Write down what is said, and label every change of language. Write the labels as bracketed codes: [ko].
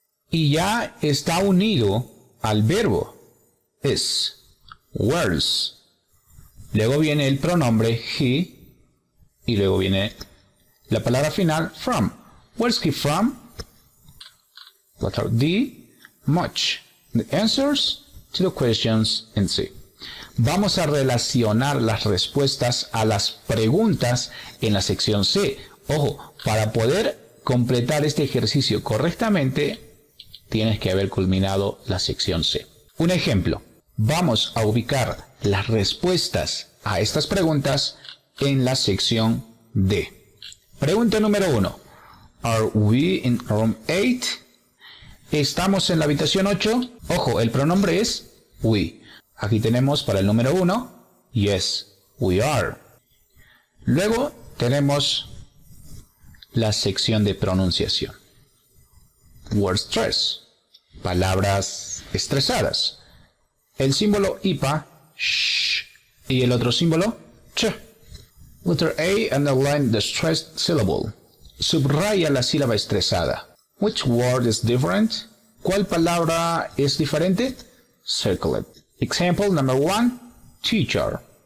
[es] Y ya está unido al verbo, is, where's. Luego viene el pronombre, he, y luego viene la palabra final, from. [en] Where's he from? Letter D, much. The answers to the questions in C. [es] Vamos a relacionar las respuestas a las preguntas en la sección C. Ojo, para poder completar este ejercicio correctamente, tienes que haber culminado la sección C. Un ejemplo. Vamos a ubicar las respuestas a estas preguntas en la sección D. [en] Pregunta número 1. Are we in room 8? [es] ¿Estamos en la habitación 8? Ojo, el pronombre es we. Aquí tenemos para el número 1, [en] yes, we are. [es] Luego tenemos la sección de pronunciación. [en] Word stress, [es] palabras estresadas. El símbolo IPA, sh, y el otro símbolo, ch. [en] Letter A, underline the stressed syllable. [es] Subraya la sílaba estresada. [en] Which word is different? [es] ¿Cuál palabra es diferente? [en] Circle it. Example number one, teacher.